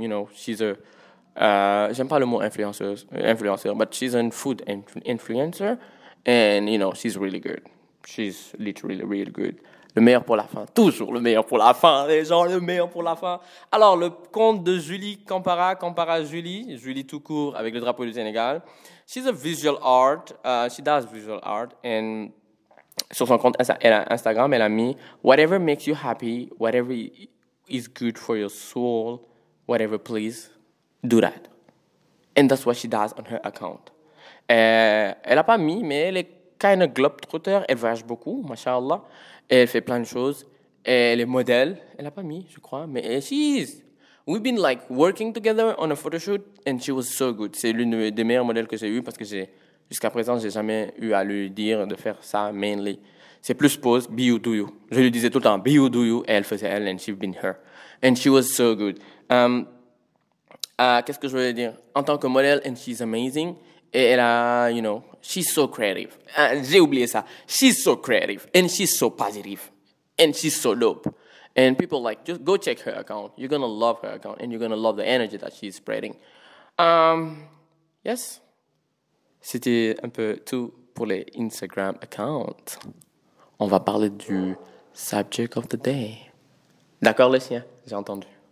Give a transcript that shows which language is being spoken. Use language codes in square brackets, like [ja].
[en] You know, she's a... [fr] j'aime pas le mot influenceur, [en] but she's a food influencer. And, you know, she's really good. She's literally really good. [fr] Le meilleur pour la fin. Toujours le meilleur pour la fin, les gens. Le meilleur pour la fin. Alors, le compte de Julie Campara. Campara Julie. Julie tout court avec le drapeau du Sénégal. [en] She's a visual art. She does visual art. And... [fr] sur son compte Instagram, elle a mis [en] « Whatever makes you happy, whatever is good for your soul, whatever please, do that. » And that's what she does on her account. [fr] Elle n'a pas mis, mais elle est kind of globetrotter. Elle voyage beaucoup, mashallah. Elle fait plein de choses. Elle est modèle. Elle n'a pas mis, je crois. Mais [en] she is. We've been like working together on a photoshoot and she was so good. [fr] C'est l'une des meilleures modèles que j'ai eues parce que j'ai... jusqu'à présent, j'ai jamais eu à lui dire de faire ça mainly. C'est plus pose, [en] be you do you. [fr] Je lui disais tout le temps, be you do you, et elle faisait elle, [en] and she's been her. And she was so good. [fr] Qu'est-ce que je voulais dire? En tant que modèle, [en] and she's amazing. [fr] Et elle a, [en] you know, she's so creative. [fr] J'ai oublié ça. [en] She's so creative, and she's so positive. And she's so dope. And people like, just go check her account. You're gonna love her account, and you're gonna love the energy that she's spreading. Yes. [fr] C'était un peu tout pour les Instagram accounts. On va parler du [en] subject of the day. [fr] D'accord, les siens, j'ai entendu.